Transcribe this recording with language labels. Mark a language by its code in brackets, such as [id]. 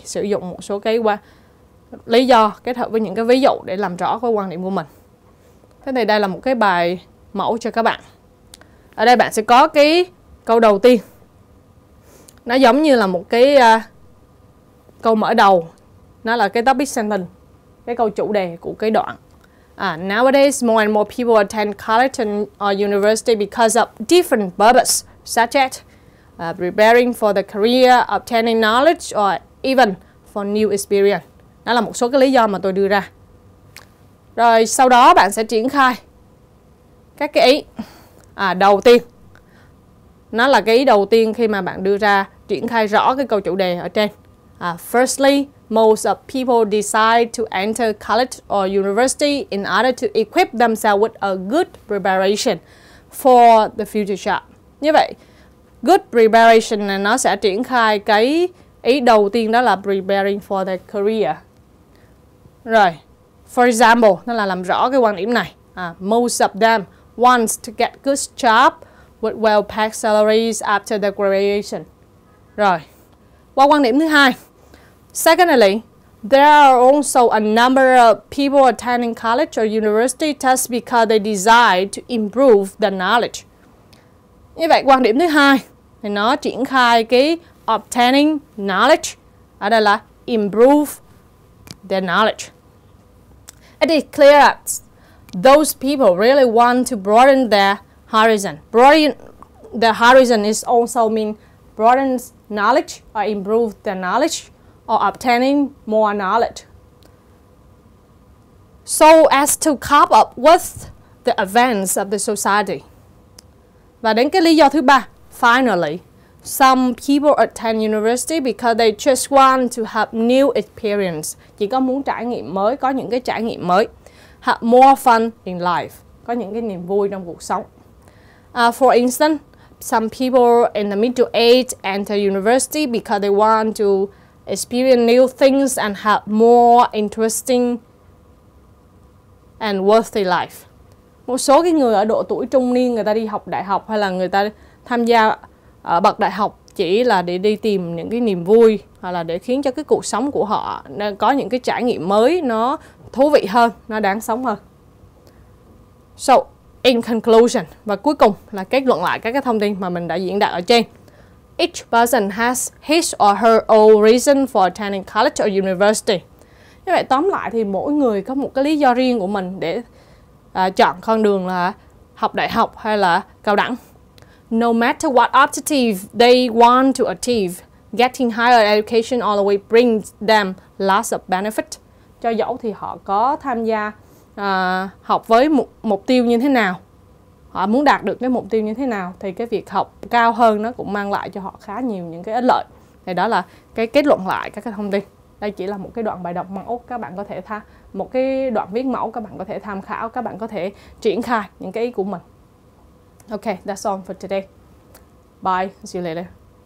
[vi] Sử dụng một số cái lý do kết hợp với những cái ví dụ để làm rõ cái quan điểm của mình. Thế thì đây là một cái bài mẫu cho các bạn. Ở đây bạn sẽ có cái câu đầu tiên, nó giống như là một cái câu mở đầu, nó là cái topic sentence, cái câu chủ đề của cái đoạn. [en] Nowadays more and more people attend college or university because of different purposes such as preparing for the career, obtaining knowledge, or even for new experience. [vi] Đó là một số cái lý do mà tôi đưa ra. Rồi sau đó bạn sẽ triển khai các cái ý. Đầu tiên, nó là cái ý đầu tiên khi mà bạn đưa ra, triển khai rõ cái câu chủ đề ở trên. [en] Firstly, most of people decide to enter college or university in order to equip themselves with a good preparation for the future job. [vi] Như vậy, [en] good preparation [vi] này nó sẽ triển khai cái ý đầu tiên, đó là [en] preparing for the career. [vi] Rồi, [en] for example, [vi] nó là làm rõ cái quan điểm này. [en] Most of them wants to get good job with well-paid salaries after the graduation. [vi] Rồi, qua quan điểm thứ hai. [en] Secondly, there are also a number of people attending college or university just because they desire to improve the knowledge. [vi] Như vậy, quan điểm thứ hai thì nó triển khai cái [en] obtaining knowledge, [vi] ở đây là [en] improve the knowledge. It is clear that those people really want to broaden their horizon. Broaden the horizon is also mean broaden knowledge or improve the knowledge or obtaining more knowledge. So as to cope up with the advance of the society. [vi] Và đến cái lý do thứ ba, [en] finally, Some people attend university because they just want to have new experience. [vi] Chỉ có muốn trải nghiệm mới, có những cái trải nghiệm mới. [en] Have more fun in life. [vi] Có những cái niềm vui trong cuộc sống. [en] For instance, some people in the middle age enter university because they want to experience new things and have more interesting and worthy life. [vi] Một số cái người ở độ tuổi trung niên, người ta đi học đại học hay là người ta tham gia ở bậc đại học chỉ là để đi tìm những cái niềm vui hoặc là để khiến cho cái cuộc sống của họ có những cái trải nghiệm mới, nó thú vị hơn, nó đáng sống hơn. [en] So, in conclusion, [vi] và cuối cùng là kết luận lại các cái thông tin mà mình đã diễn đạt ở trên. [en] Each person has his or her own reason for attending college or university. [vi] Như vậy tóm lại thì mỗi người có một cái lý do riêng của mình để chọn con đường là học đại học hay là cao đẳng. [en] No matter what objective they want to achieve, getting higher education all the way brings them lots of benefit. [vi] Cho dẫu thì họ có tham gia học với mục tiêu như thế nào, họ muốn đạt được cái mục tiêu như thế nào, thì cái việc học cao hơn nó cũng mang lại cho họ khá nhiều những cái ích lợi. Thì đó là cái kết luận lại các cái thông tin. Đây chỉ là một cái đoạn bài đọc mẫu, các bạn có thể một cái đoạn viết mẫu các bạn có thể tham khảo, các bạn có thể triển khai những cái ý của mình. [en] Okay, that's all for today. Bye, see you later.